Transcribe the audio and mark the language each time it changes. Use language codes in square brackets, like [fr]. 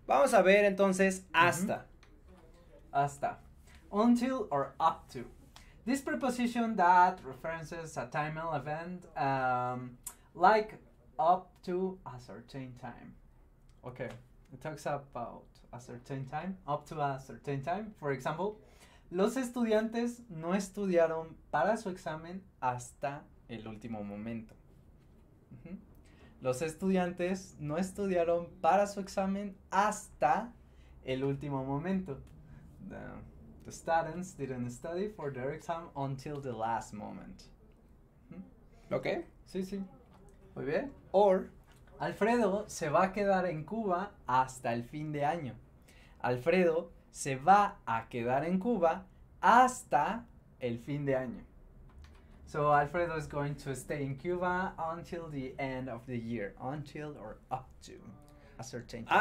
[es] Vamos a ver entonces hasta. [en] Hasta. Until or up to. This preposition that references a time event, like up to a certain time. Okay, it talks about a certain time, up to a certain time. For example, [es] los estudiantes no estudiaron para su examen hasta el último momento. Los estudiantes no estudiaron para su examen hasta el último momento. [en] The students didn't study for their exam until the last moment. Okay. [es] Sí. Muy bien. Or. Alfredo se va a quedar en Cuba hasta el fin de año. Alfredo se va a quedar en Cuba hasta el fin de año. [en] So Alfredo is going to stay in Cuba until the end of the year, until or up to a certain time.